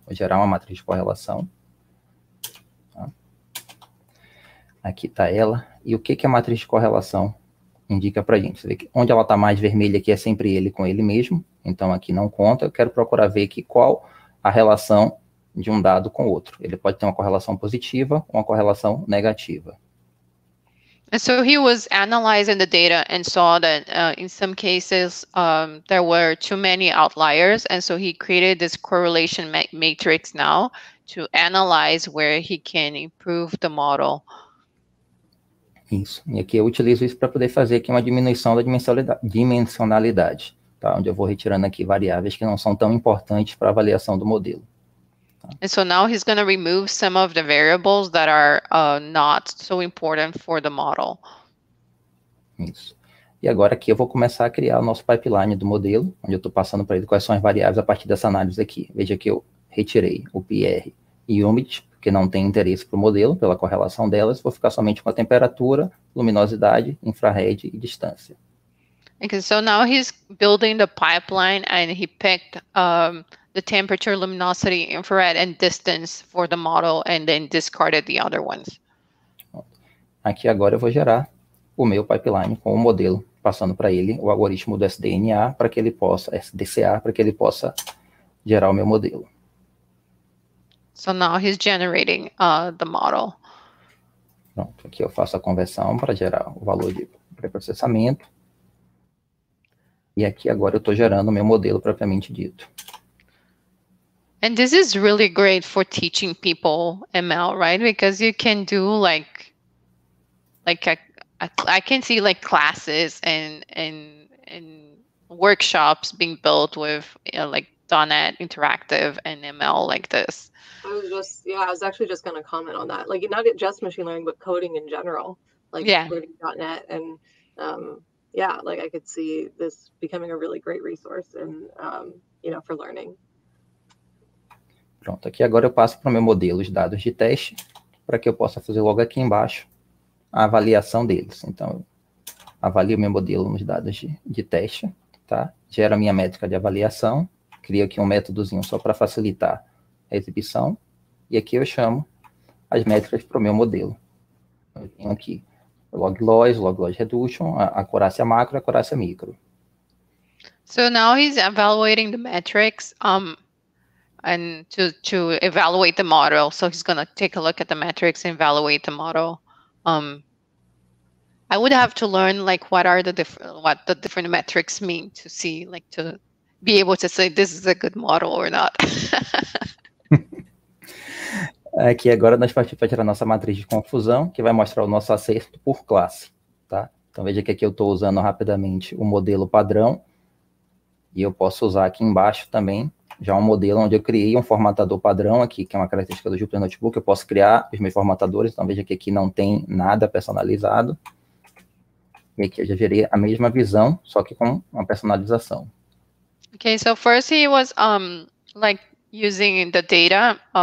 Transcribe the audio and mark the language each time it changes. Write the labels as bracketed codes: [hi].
[pt] Vou gerar uma matriz de correlação. Tá? Aqui está ela. E o que é a matriz de correlação? Indica para a gente. Você vê que onde ela está mais vermelha aqui é sempre ele com ele mesmo. Então, aqui não conta. Eu quero procurar ver aqui qual a relação de um dado com outro. Ele pode ter uma correlação positiva ou uma correlação negativa. [en] And so he was analyzing the data and saw that in some cases there were too many outliers, and so he created this correlation matrix now to analyze where he can improve the model. [pt] Isso. E aqui eu utilizo isso para poder fazer aqui uma diminuição da dimensionalidade, tá? Onde eu vou retirando aqui variáveis que não são tão importantes para a avaliação do modelo. [en] And so now he's going to remove some of the variables that are not so important for the model. [pt] Isso. E agora aqui eu vou começar a criar o nosso pipeline do modelo, onde eu estou passando para ele quais são as variáveis a partir dessa análise aqui. Veja que eu retirei o PR e UMID, porque não tem interesse para o modelo, pela correlação delas. Vou ficar somente com a temperatura, luminosidade, infrared e distância. [en] Okay, so now he's building the pipeline and he picked the temperature, luminosity, infrared, and distance for the model, and then discarded the other ones. [pt] Aqui agora eu vou gerar o meu pipeline com o modelo, passando para ele o algoritmo do SDNA para que ele possa, SDCA, para que ele possa gerar o meu modelo. [en] So now he's generating the model. [pt] Pronto, aqui eu faço a conversão para gerar o valor de pré-processamento. E aqui agora eu estou gerando o meu modelo propriamente dito. [en] And this is really great for teaching people ML, right? Because you can do like I can see like classes and workshops being built with, you know, like .NET Interactive and ML like this. I was actually just going to comment on that. Like, not just machine learning, but coding in general, like coding .NET, and like I could see this becoming a really great resource and for learning. [pt] Pronto, aqui agora eu passo para o meu modelo os dados de teste, para que eu possa fazer logo aqui embaixo a avaliação deles. Então, eu avalio meu modelo nos dados de teste, tá? Gera a minha métrica de avaliação, crio aqui um métodozinho só para facilitar a exibição, e aqui eu chamo as métricas para o meu modelo. Eu tenho aqui log loss reduction, acurácia macro e acurácia micro. [en] So now he's evaluating the metrics. And to evaluate the model. So he's going to take a look at the metrics and evaluate the model. I would have to learn like what the different metrics mean to see, like to be able to say this is a good model or not. [pt] Aqui agora nós partimos para tirar nossa matriz de confusão, que vai mostrar o nosso acerto por classe, tá? Então veja que aqui eu estou usando rapidamente o modelo padrão, e eu posso usar aqui embaixo também já um modelo onde eu criei um formatador padrão aqui, que é uma característica do Jupyter Notebook. Eu posso criar os meus formatadores, então veja que aqui não tem nada personalizado. E aqui eu já gerei a mesma visão, só que com uma personalização. [en] Okay, so first he was using the data.